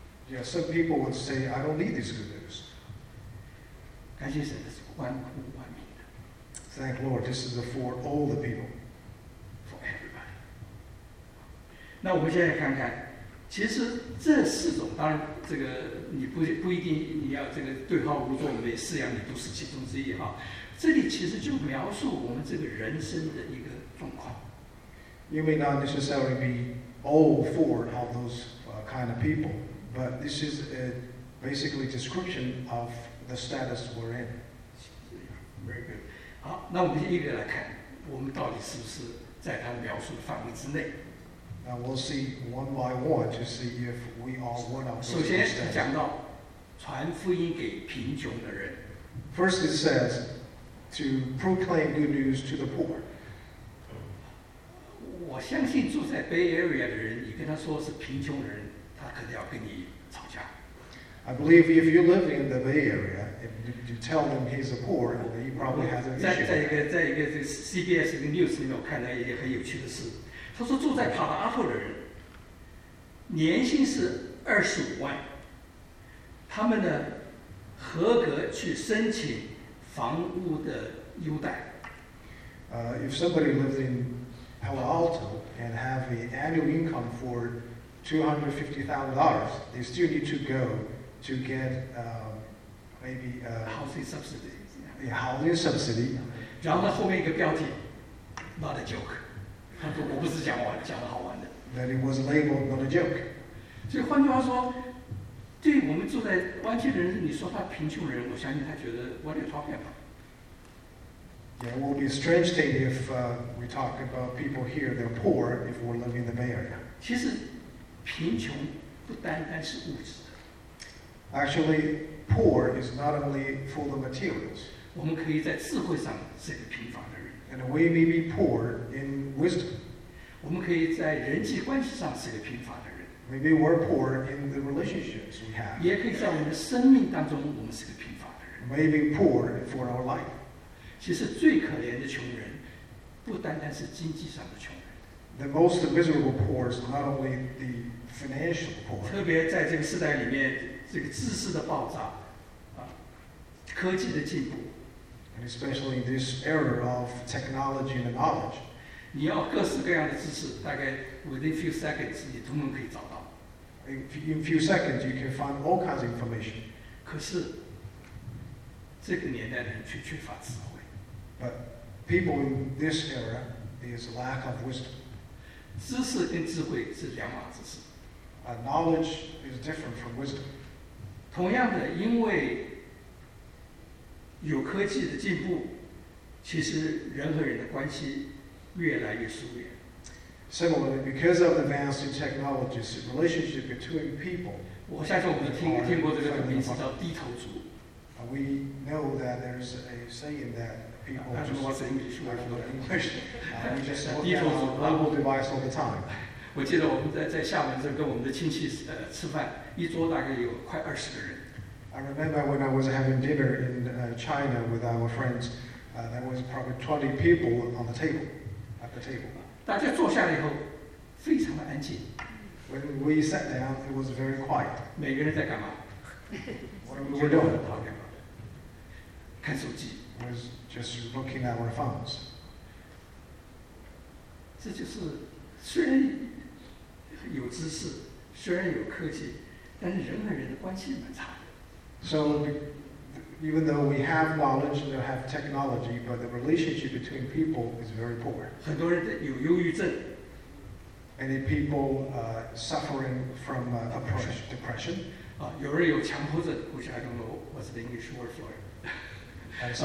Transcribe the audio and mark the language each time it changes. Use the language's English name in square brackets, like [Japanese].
[English] Yeah, some people would say, I don't need this good news. [Chinese] 感谢神，这是关乎万民的。 [English] Thank Lord, this is for all the people, for everybody. [Chinese] 那我们现在看看，其实这四种，当然这个你不一定你要这个对号入座，每四样你都是其中之一哈。这里其实就描述我们这个人生的一个状况。 [English] You may not necessarily be all four of those kind of people, but this is a basically description of. The status we're in. Very good. [Chinese] 好，那我们一个来看，我们到底是不是在他描述的范围之内？ [English] Now we'll see one by one to see if we are one of. [Chinese] 首先，他讲到传福音给贫穷的人。 [English] First, it says to proclaim good news to the poor. [Chinese] 我相信住在 Bay Area 的人，你跟他说是贫穷的人，他肯定要跟你吵架。 [English] I believe if you live in the Bay Area, if you tell him he's a poor, then he probably has an issue. [Chinese] 在一个这 CBS 的 news 里面，我看到一件很有趣的事。他说住在 Palo Alto 的人，年薪是25万，他们呢合格去申请房屋的优待。 [English] If somebody lives in Palo Alto and have an annual income for $250,000, they still need to go. To get maybe a housing subsidy. Yeah, housing subsidy. [Chinese] 然后后面一个标题 ， [English] not a joke. [Chinese] 他说我不是讲玩，讲的好玩的。 [English] Then it was labeled not a joke. [Chinese] 所以换句话说，对我们住在湾区的人，你说他贫穷人，我相信他觉得 [English] what are you talking about? Yeah, it would be a strange thing if we talk about people here. They're poor if we're living in the Bay Area. [Chinese] 其实贫穷不单单是物质。 [English] Actually, poor is not only full of materials. [Chinese] 我们可以在智慧上是一个贫乏的人。 [English] And we may be poor in wisdom. [Chinese] 我们可以在人际关系上是一个贫乏的人。 [English] Maybe we're poor in the relationships we have. [Chinese] 也可以在我们的生命当中，我们是一个贫乏的人。 [English] Maybe poor for our life. [Chinese] 其实最可怜的穷人，不单单是经济上的穷人。 [English] The most miserable poor is not only the financial poor. [Chinese] 特别在这个时代里面。这个知识的爆炸，科技的进步 [English] ，and especially this era of technology and knowledge， [Chinese] 你要各式各样的知识，大概 [English] within few seconds [Chinese] 你通通可以找到。 [English] In few seconds you can find all kinds of information。 [Chinese] 可是，这个年代的人却缺乏智慧。 [English] But people in this era is lack of wisdom。 [Chinese] 知识跟智慧是两码子事。 [English] Knowledge is different from wisdom。 [Chinese] 同样的，因为有科技的进步，其实人和人的关系越来越疏远。 [English] Similarly, because of the advanced technologies, relationship between people. [Chinese] 我相信我们听过这个名词叫低头族。 [English] We know that there's a saying that people just watch the English version of English. We just hold down our mobile device all the time. [Chinese] 我记得我们在厦门这跟我们的亲戚吃饭。一桌大概有快二十个人。 [English] I remember when I was having dinner in China with our friends, there was probably 20 people on the table, at the table. [Chinese] 大家坐下来以后，非常的安静。 [English] When we sat down, it was very quiet. [Chinese] 每个人在干嘛？ [English] What are we doing? [Chinese] 讨厌吗？看手机。 [English] Was just looking at our phones. [Chinese] 这就是虽然有知识，虽然有科技。但是人和人的关系蛮差的。 [English] So, even though we have knowledge and have technology, but the relationship between people is very poor. [Chinese] 很多人有忧郁症。 [English] Any people suffering from depression? [Chinese] 有人有强迫症 ， [English] which I don't know what's the English word for.